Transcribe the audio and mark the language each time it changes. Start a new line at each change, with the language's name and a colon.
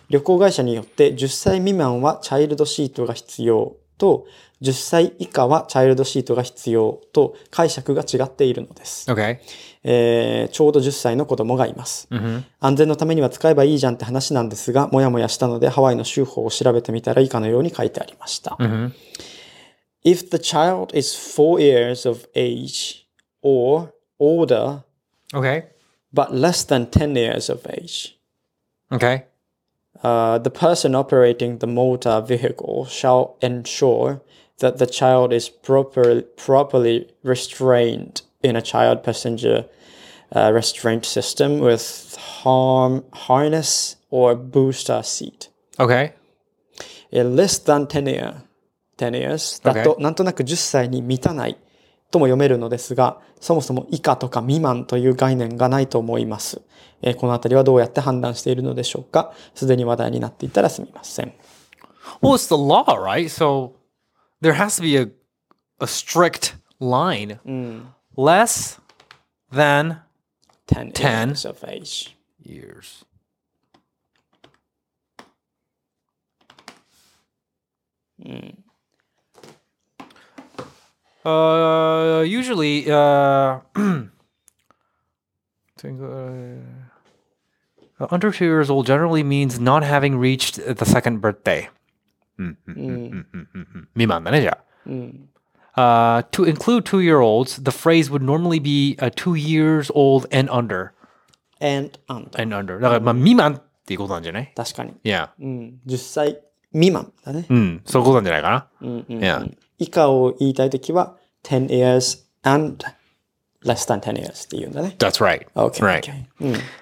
Japanese: 旅行会社によって10歳未満はチャイルドシートが必要と、10歳以下はチャイルドシートが必要と解釈が違っているのです。
English: Okay.
Japanese: ちょうど10歳の子供がいます。 Mm-hmm. 安全のためには使えばいいじゃんって話なんですが、もやもやしたのでハワイの州法を調べてみたら以下のように書いてありました。 Mm-hmm.
English: If the child is 4 years of age or older, okay. but less than 10 years of age, okay. The person operating the motor vehicle shall ensure that the child is properly restrained in a child passenger restraint system with harness or booster seat. Okay. Less than 10 years.
Japanese: だと、なんとなく10歳に満たないとも読めるのですが、そもそも以下とか未満という概念がないと思います。このあたりはどうやって判断しているのでしょうか。すでに話題になっていたらすみません。
English: Well, it's the law, right? So there has to be a strict line. Less than 10 years of age. Years. Usually, under 2 years old generally means not having reached the second birthday.
Japanese: Mimanだねじゃ。
English: To include 2 year olds, the phrase would normally be 2 years old and under. And under. And under.
Japanese: だからまあ未満っていうことなんじゃない？確かに。
English: Yeah.
Japanese: 10歳未満だね。そういうことなんじゃないかな。以下を言いたいときは
English: 10 years and less than 10 years
Japanese: って言うんだね。
English: That's right. Okay. Right. Okay.